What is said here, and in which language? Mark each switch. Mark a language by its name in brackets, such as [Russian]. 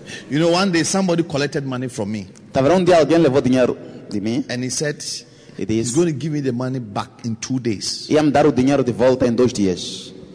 [English] You know, one day somebody collected money from me. [Portuguese] Tava um dia alguém levou dinheiro de mim. [English] And he said, it is. He's going to give me the money back in 2 days. [Portuguese] Ia me dar o dinheiro de volta em 2 dias.